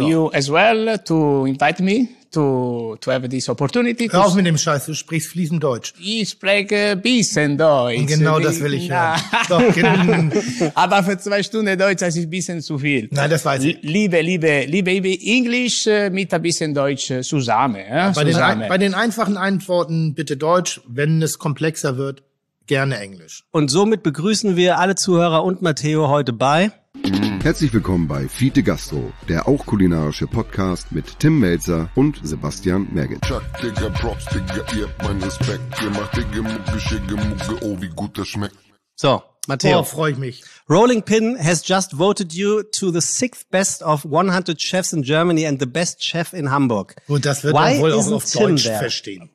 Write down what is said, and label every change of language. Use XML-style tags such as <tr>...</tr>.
<en>You as well, to invite me to have this opportunity.</en> <de>Hör auf mit dem Scheiß, du sprichst fließend Deutsch. Ich spreche ein bisschen Deutsch. Und genau das will ich hören. Aber für 2 Stunden Deutsch, das ist ein bisschen zu viel. Nein, das weiß ich. Liebe Englisch mit ein bisschen Deutsch zusammen. Bei den einfachen Antworten bitte Deutsch, wenn es komplexer wird, gerne Englisch. Und somit begrüßen wir alle Zuhörer und Matteo heute bei... Herzlich willkommen bei Fiete Gastro, der auch kulinarische Podcast mit Tim Mälzer und Sebastian Mergit. Chuck, Digga, Props, Digga, ihr habt meinen Respekt. Ihr macht Digga, Mucke, Schicke, Mucke, oh, wie gut das schmeckt. So, Matteo. Boah, freu ich mich.</de> <en>Rolling Pin has just voted you to the 6th best of 100 chefs in Germany and the best chef in Hamburg.</en> <de>Und das wird man wohl auch auf Deutsch verstehen.</de>